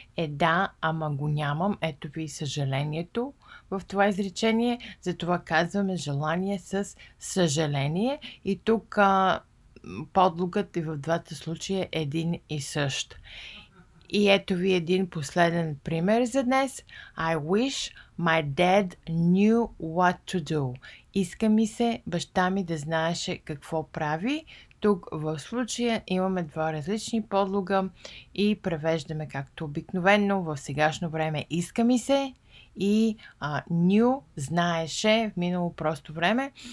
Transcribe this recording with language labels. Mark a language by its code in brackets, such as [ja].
[bg] Е да, ама го нямам. Ето ви съжалението в това изречение. Затова казваме желание с съжаление. И тук подлогът и в двата случая е един и същ. И ето ви един последен пример за днес. [en] I wish my dad knew what to do. [bg] Иска ми се баща ми да знаеше какво прави. Тук в случая имаме два различни подлога и превеждаме както обикновено в сегашно време. Иска ми се и knew знаеше в минало просто време.